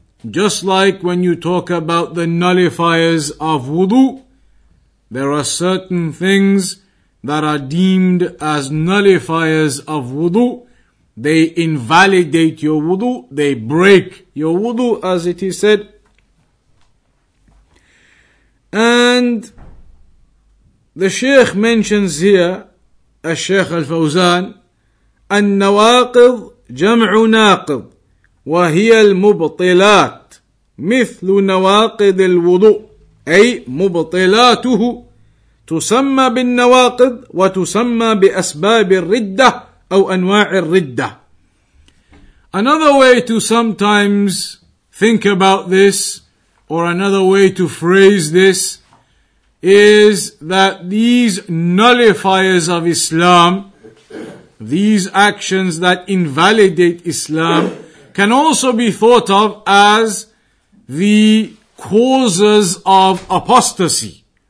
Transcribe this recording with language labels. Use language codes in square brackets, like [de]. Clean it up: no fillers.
[en] Just like when you talk about the nullifiers of wudu, there are certain things that are deemed as nullifiers of wudu. They invalidate your wudu, they break your wudu, as it is said. And the Shaykh mentions here, as Shaykh Al Fawzan, [ar] النواقض جمع ناقض وهي المبطلات مثل نواقض الوضوء أي مبطلاته تسمى بالنواقض وتسمى بأسباب الردة أو أنواع الردة. [en] Another way to sometimes think about this, or another way to phrase this, is that these nullifiers of Islam, these actions that invalidate Islam, can also be thought of as the causes of apostasy.